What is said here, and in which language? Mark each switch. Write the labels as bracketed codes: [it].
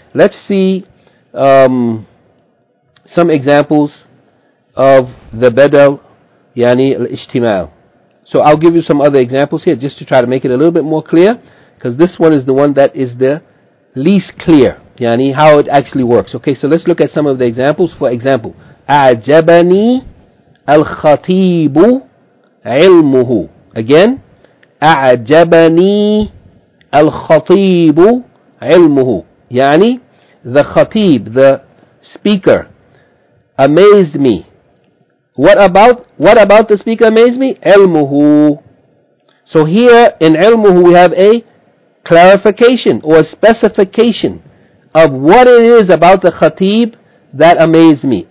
[en] Let's see some examples of the bedal, yani al-ijtimal. So I'll give you some other examples here just to try to make it a little bit more clear, because this one is the one that is the least clear, yani how it actually works. Okay, so let's look at some of the examples. For example, [ar] أعجبني الخطيب علمه. [en] Again, [ar] أعجبني الخطيب علمه. [en] Yani, the khatib, the speaker, amazed me. What about the speaker amazed me? Ilmuhu. So here in ilmuhu we have a clarification or a specification of what it is about the khatib that amazed me.